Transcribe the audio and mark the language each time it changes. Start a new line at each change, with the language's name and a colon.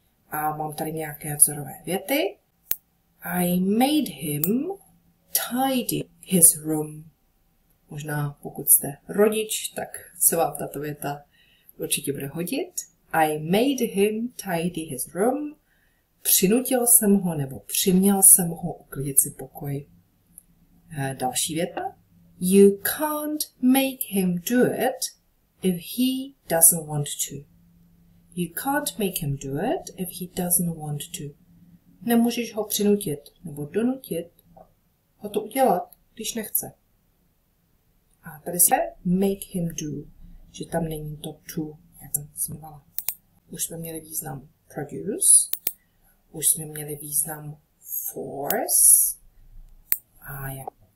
Czech: A mám tady nějaké vzorové věty.
English: I made him tidy his room.
Czech: Možná pokud jste rodič, tak se vám tato věta určitě bude hodit.
English: I made him tidy his room.
Czech: Přinutil jsem ho nebo přiměl jsem ho uklidit si pokoj. Další věta.
English: You can't make him do it if he doesn't want to. You can't make him do it if he doesn't want to.
Czech: Nemůžeš ho přinutit nebo donutit ho to udělat, když nechce. A tady se
English: make him do,
Czech: že tam není to to, jak jsem zmiňovala. Už jsme měli význam produce, už jsme měli význam force a jak.